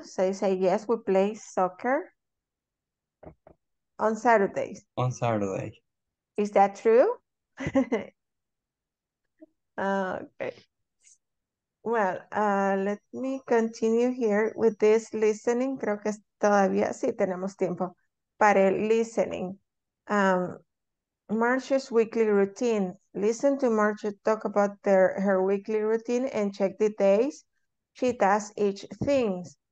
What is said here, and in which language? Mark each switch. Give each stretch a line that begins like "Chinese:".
English: So you say, yes, we play soccer on Saturdays. On Saturday. Is that true? Okay. Well, let me continue here with this listening.
Spanish: Creo que todavía sí tenemos tiempo para el listening.
English: Marcia's weekly routine. Listen to Marcia talk about her weekly routine and check the days she does each thing.